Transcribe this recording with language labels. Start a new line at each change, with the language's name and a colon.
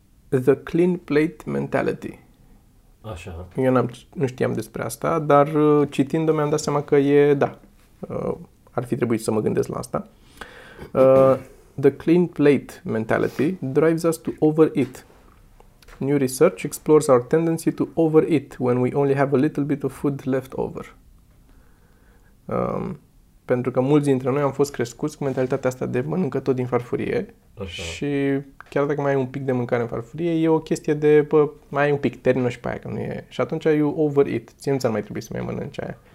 English: The clean plate mentality.
Romanian: Așa. Eu nu știam despre asta, dar citind-o mi-am dat seama că e, da, ar fi trebuit să mă gândesc la asta.
English: The clean plate mentality drives us to overeat. New research explores our tendency to overeat when we only have a little bit of food left over.
Romanian: Pentru că mulți dintre noi am fost crescuți cu mentalitatea asta de mănâncă tot din farfurie. Așa. Și chiar dacă mai ai un pic de mâncare în farfurie, e o chestie de, bă, mai ai un pic, termină și pe aia, că nu e. Și atunci
English: you overeat.
Romanian: Ție nu ți-ar mai trebui să mai mănânci aia.